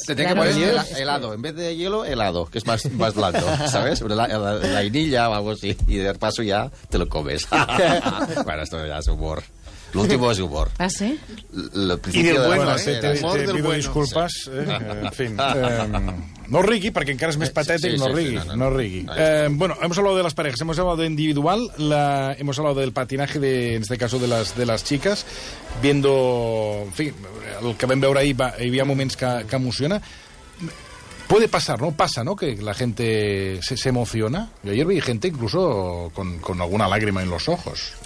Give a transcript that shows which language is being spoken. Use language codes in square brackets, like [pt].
[es] Te tiene claro, que poner helado. En vez de hielo, helado, que es más blando, ¿sabes? La vainilla, vamos, y de paso ya te lo comes. Bueno, esto ya es humor. Lo último es humor. ¿Ah, sí? Lo principio y del bueno, te pido disculpas. Sí. En fin. [ca] No rigui, perquè encara és més patètic, sí, no rigui. Sí, no rigui. [es] Bueno, hemos hablado de las parejas, hemos hablado de individual, hemos hablado del patinaje, en este caso, de las chicas, viendo, en fin, [ca] el que vam veure ahir, hi havia moments que emociona. [es] Puede pasar, ¿no? Pasa, ¿no? Que la gente se emociona. Yo ayer vi gente incluso con alguna lágrima en los ojos.